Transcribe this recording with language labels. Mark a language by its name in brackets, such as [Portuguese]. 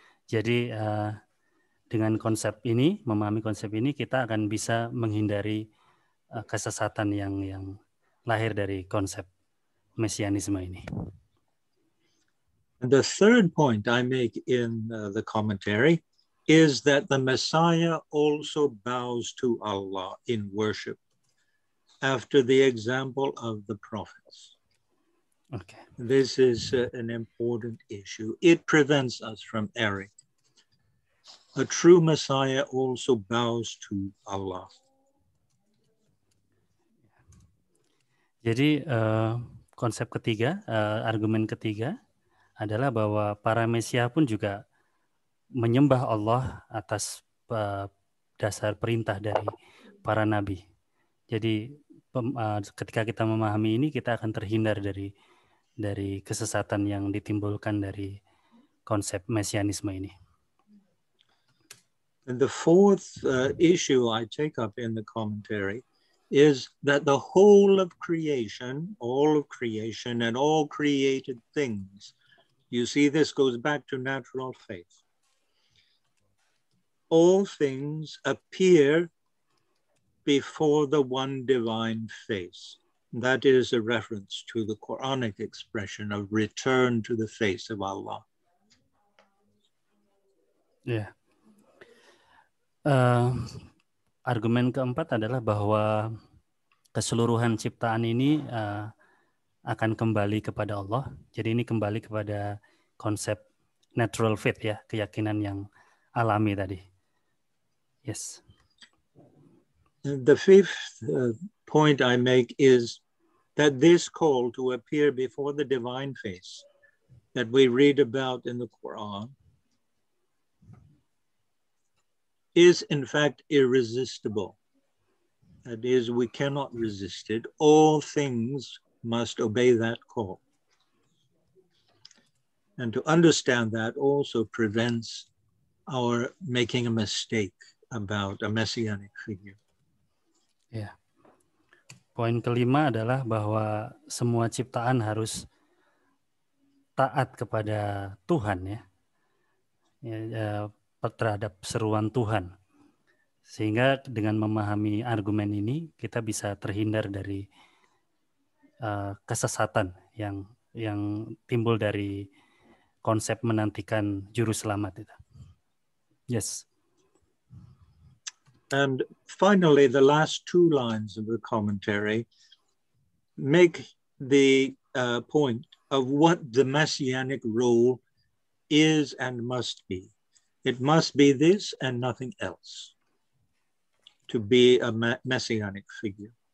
[Indonesian] Jadi dengan konsep ini, memahami konsep ini, kita akan bisa menghindari kesesatan yang lahir dari konsep mesianisme ini. [English] And the third point I make in the commentary is that the Messiah also bows to Allah in worship, after the example of the prophets. Okay. This is an important issue. It prevents us from erring. A true Messiah also bows to Allah. [Indonesian] Jadi konsep ketiga, argumen ketiga adalah bahwa para Mesiah pun juga menyembah Allah atas dasar perintah dari para nabi. Jadi ketika kita memahami ini, kita akan terhindar dari kesesatan yang ditimbulkan dari konsep mesianisme ini. [English] And the fourth issue I take up in the commentary is that the whole of creation, all of creation and all created things, you see, this goes back to natural faith. All things appear before the one divine face. That is a reference to the Quranic expression of return to the face of Allah. Yeah. [Indonesian] Argumen keempat adalah bahwa keseluruhan ciptaan ini akan kembali kepada Allah. Jadi ini kembali kepada konsep natural faith, ya, keyakinan yang alami tadi. Yes. [English] The fifth point I make is that this call to appear before the divine face that we read about in the Quran is in fact irresistible. That is, we cannot resist it. All things must obey that call. And to understand that also prevents our making a mistake about a messianic figure. [Indonesian] Ya. Poin kelima adalah bahwa semua ciptaan harus taat kepada Tuhan, ya. Terhadap seruan Tuhan. Sehingga dengan memahami argumen ini, kita bisa terhindar dari kesesatan yang timbul dari konsep menantikan juru selamat itu. [English] Yes. And finally, the last two lines of the commentary make the point of what the messianic role is and must be. It must be this and nothing else to be a messianic figure.